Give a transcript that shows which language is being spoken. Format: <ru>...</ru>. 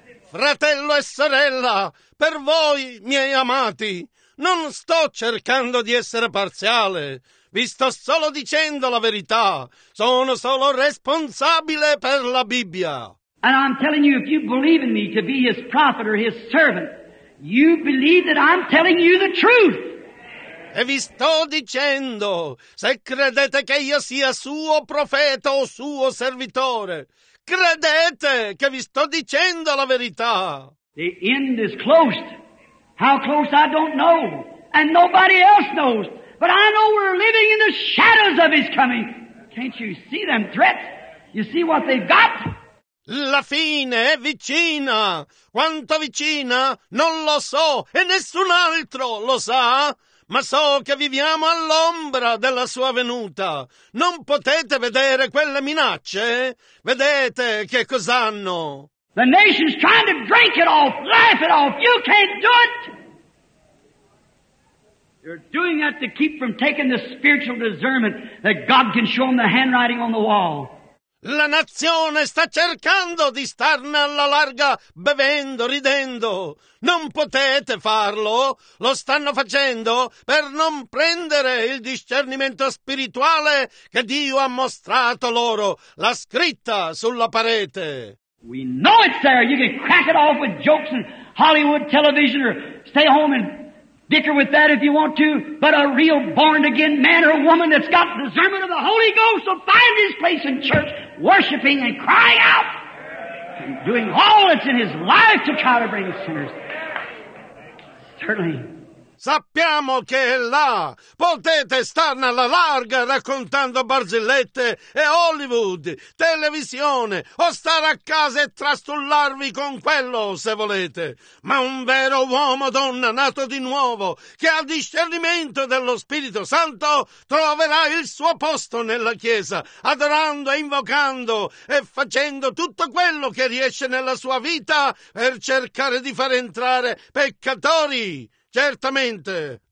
<it>Fratello e sorella, per voi, miei amati, non sto cercando di essere parziale, vi sto solo dicendo la verità. Sono solo responsabile per la Bibbia.</it> <en>And I'm telling you, if you believe in me to be his prophet or his servant, you believe that I'm telling you the truth.</en> <it>E vi sto dicendo, se credete che io sia suo profeta o suo servitore, credete che vi sto dicendo la verità.</it> <en>The end is closed. How close I don't know, and nobody else knows, but I know we're living in the shadows of His coming. Can't you see them threats? You see what they've got?</en> <it>La fine è vicina. Quanto vicina? Non lo so, e nessun altro lo sa. Ma so che viviamo all'ombra della sua venuta. Non potete vedere quelle minacce? Vedete che cos'hanno?</it> <en>The nation's trying to drink it off, laugh it off. You can't do it. They're doing that to keep from taking the spiritual discernment that God can show them the handwriting on the wall.</en> <it>La nazione sta cercando di starne alla larga, bevendo, ridendo. Non potete farlo. Lo stanno facendo per non prendere il discernimento spirituale che Dio ha mostrato loro, la scritta sulla parete.</it> <en>We know it's there. You can crack it off with jokes and Hollywood television or stay home and dicker with that if you want to. But a real born-again man or woman that's got discernment of the Holy Ghost will find his place in church worshiping and crying out and doing all that's in his life to try to bring sinners. Certainly.</en> <it>Sappiamo che è là. Potete starne alla larga raccontando barzellette e Hollywood, televisione, o stare a casa e trastullarvi con quello se volete. Ma un vero uomo o donna nato di nuovo, che ha discernimento dello Spirito Santo, troverà il suo posto nella Chiesa, adorando e invocando e facendo tutto quello che riesce nella sua vita per cercare di far entrare peccatori. Certamente.</it>